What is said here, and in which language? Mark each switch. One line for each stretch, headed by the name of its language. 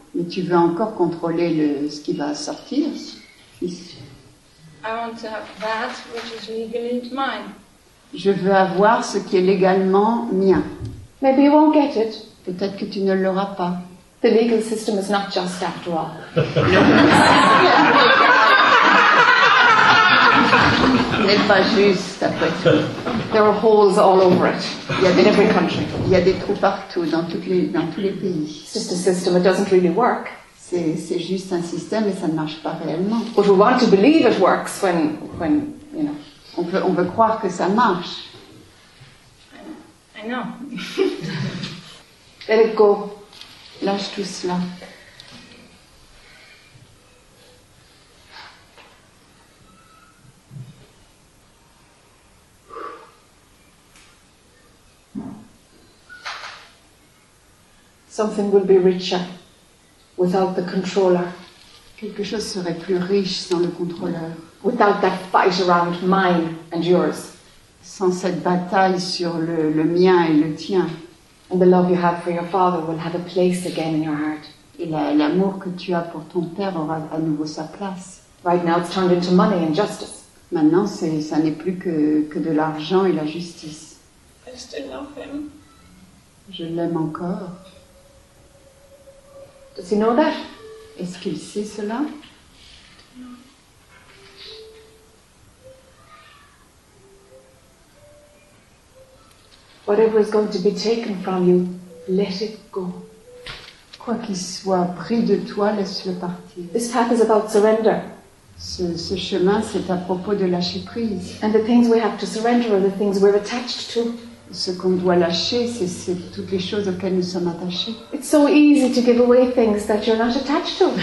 French: Mais tu veux encore contrôler ce qui va sortir?
English: I want to have that which is legally mine.
French: Je veux avoir ce qui est légalement mien.
English: Maybe you won't get it.
French: Peut-être que tu ne l'auras pas.
English: The legal system is not just after all.
French: Ce n'est pas juste après tout.
English: There are holes all over it. In every country.
French: Il y a des trous partout dans tous les pays.
English: It's just a system that doesn't really work.
French: C'est juste un système et ça ne marche pas réellement.
English: But we want to believe it works when you know.
French: On veut croire que ça marche.
English: I know. Let it go.
French: Lâche tout cela.
English: Something will be richer without the controller.
French: Quelque chose serait plus riche sans le contrôleur.
English: Without that fight around mine and yours.
French: Sans cette bataille sur le mien et le tien.
English: And the love you have for your father will have a place again in your heart.
French: Et l'amour que tu as pour ton père aura à nouveau sa place.
English: Right now it's turned into money and justice.
French: Maintenant, ça n'est plus que de l'argent et la justice.
English: I still love him.
French: Je l'aime encore.
English: Does he know that?
French: Est-ce qu'il sait cela?
English: No. Whatever is going to be taken from you, let it go.
French: Quoi qu'il soit pris de toi, laisse-le partir.
English: This path is about surrender.
French: Ce chemin, c'est à propos de lâcher prise.
English: And the things we have to surrender are the things we're attached to.
French: Ce qu'on doit lâcher, c'est toutes les choses auxquelles nous sommes attachés.
English: It's so easy to give away things that you're not attached to.